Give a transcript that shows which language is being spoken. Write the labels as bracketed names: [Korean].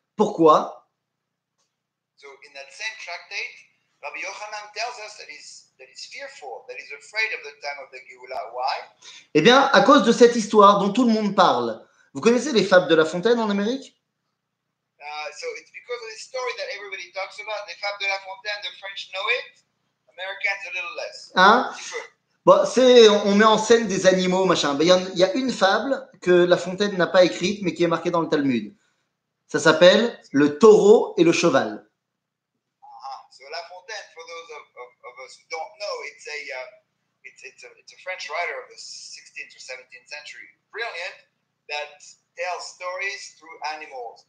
[French] Pourquoi ? [English] So in that same tractate, Rabbi Yochanan tells us that he's fearful, that he's afraid of the time of the Géoula. Why ? [French] Eh bien, à cause de cette histoire dont tout le monde parle. Vous connaissez les fables de La Fontaine en Amérique ? [English] So it's because of the story that everybody talks about. Les fables de La Fontaine, the French know it. Americans a little less. [French] Hein ? Bon, on met en scène des animaux, machin. Ben, y a une fable que La Fontaine n'a pas écrite, mais qui est marquée dans le Talmud. Ça s'appelle « Le taureau et le cheval ». [English] Ah, so La Fontaine, for those of us who don't know, it's a French writer of the 16th or 17th century. Brilliant, that tells stories through animals.